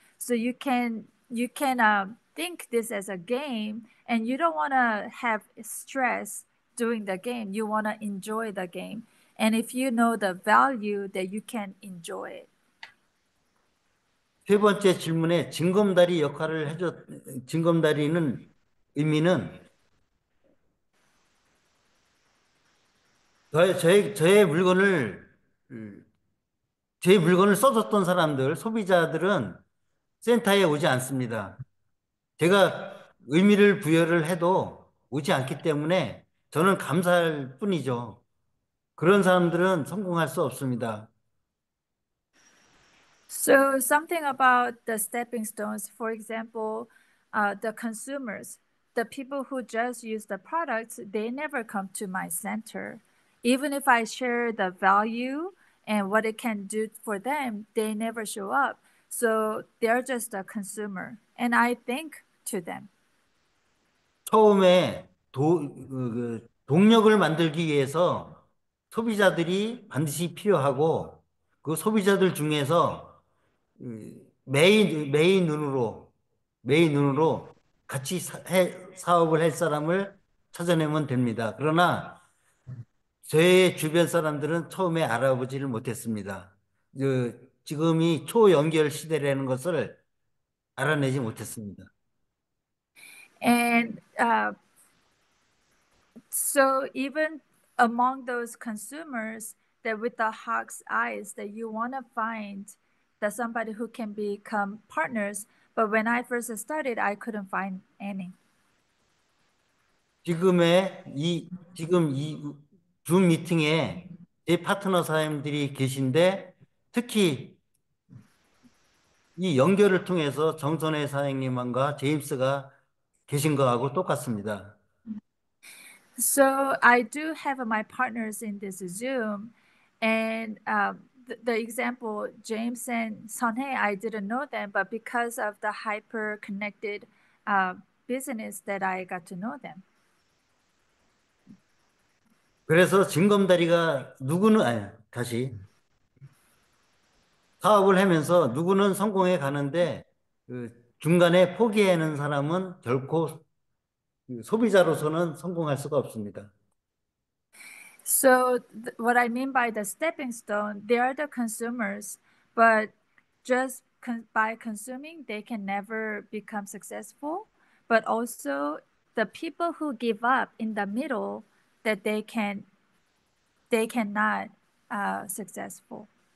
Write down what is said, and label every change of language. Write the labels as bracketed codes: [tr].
[en] So you can think this as a game and you don't want to have stress doing the game. You want to enjoy the game. And if you know the value, that you can enjoy it. [ko] 세 번째 질문에 징검다리 역할을 징검다리는 의미는 제 물건을 써줬던 사람들, 소비자들은 센터에 오지 않습니다. 제가 의미를 부여를 해도 오지 않기 때문에 저는 감사할 뿐이죠. 그런 사람들은 성공할 수 없습니다. [en] So something about the stepping stones, for example, the consumers, the people who just use the products, they never come to my center. Even if I share the value and what it can do for them, they never show up. So they're just a consumer, and I think to them. [ko] 처음에 동력을 만들기 위해서 소비자들이 반드시 필요하고 그 소비자들 중에서 매의 눈으로 같이 사업을 할 사람을 찾아내면 됩니다. 그러나 저의 주변 사람들은 처음에 알아보지를 못했습니다. 지금이 초연결 시대라는 것을 알아내지 못했습니다. [en] And so even among those consumers that with the hawk's eyes that you want to find that somebody who can become partners, but when I first started, I couldn't find any. [ko] 지금 이줌 미팅에 제 파트너 사장님들이 계신데 특히 이 연결을 통해서 정선혜 사장님과 제임스가 계신 거하고 똑같습니다. [en] So I do have my partners in this Zoom, and the example James and Sonhae, I didn't know them, but because of the hyper-connected business that I got to know them. [ko] 그래서 징검다리가 누구는 아니 다시 사업을 하면서 누구는 성공해 가는데 중간에 포기하는 사람은 결코 소비자로서는 성공할 수가 없습니다. [en] So what I mean by the stepping stone, they are the consumers, but just by consuming, they can never become successful. But also the people who give up in the middle, that they cannot successful.